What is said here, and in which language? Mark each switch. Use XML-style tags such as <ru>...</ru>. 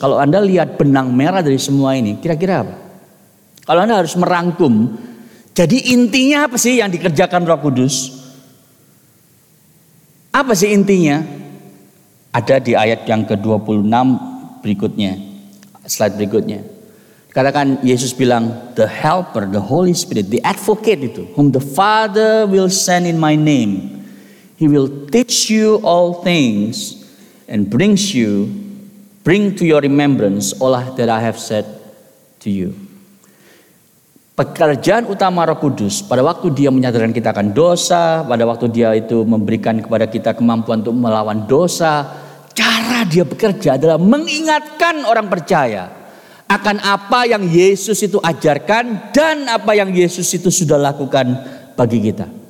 <id>Kalau Anda lihat benang merah dari semua ini, kira-kira apa? Kalau Anda harus merangkum, jadi intinya apa sih yang dikerjakan Roh Kudus? Apa sih intinya? Ada di ayat yang ke-26 berikutnya, slide berikutnya. Katakan Yesus bilang,</id> <en>the helper, the Holy Spirit, the advocate itu, whom the Father will send in my name, he will teach you all things and bring to your remembrance all that I have said to you.</en> <id>Pekerjaan utama Roh Kudus pada waktu dia menyadarkan kita akan dosa, pada waktu dia itu memberikan kepada kita kemampuan untuk melawan dosa, cara dia bekerja adalah mengingatkan orang percaya akan apa yang Yesus itu ajarkan dan apa yang Yesus itu sudah lakukan bagi kita.</id>